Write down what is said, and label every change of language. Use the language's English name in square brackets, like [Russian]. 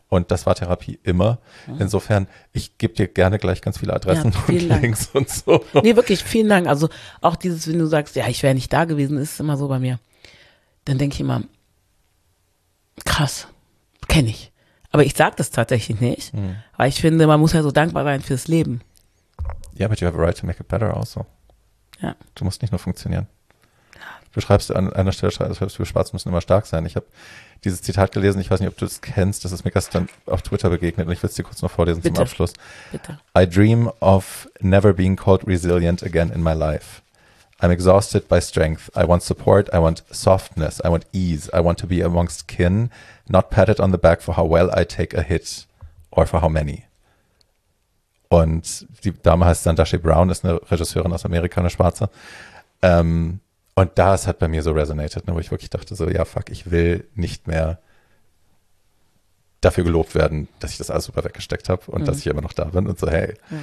[German] Und das war Therapie immer. Insofern, ich gebe dir gerne gleich ganz viele Adressen und Links und so. Nee, wirklich, vielen Dank. Also auch dieses, wenn du sagst, ja, ich wäre nicht da gewesen, ist immer so bei mir. Dann denke ich immer, krass, kenne ich. Aber ich sage das tatsächlich nicht, weil ich finde, man muss ja so dankbar sein fürs Leben. Ja, [English] yeah, but you have a right to make it better also. [German] Ja. Du musst nicht nur funktionieren. Du schreibst an einer Stelle, schreibst du, Schwarze müssen immer stark sein. Ich habe dieses Zitat gelesen, ich weiß nicht, ob du es kennst, das ist mir gestern auf Twitter begegnet und ich will es dir kurz noch vorlesen zum Abschluss. Bitte. [English] I dream of never being called resilient again in my life. I'm exhausted by strength. I want support, I want softness, I want ease, I want to be amongst kin, not patted on the back for how well I take a hit or for how many. [German] Und die Dame heißt Sandashe Brown, ist eine Regisseurin aus Amerika, eine Schwarze. Und das hat bei mir so resonated, ne, wo ich wirklich dachte so, ja, fuck, ich will nicht mehr dafür gelobt werden, dass ich das alles super weggesteckt habe und dass ich immer noch da bin und so, hey.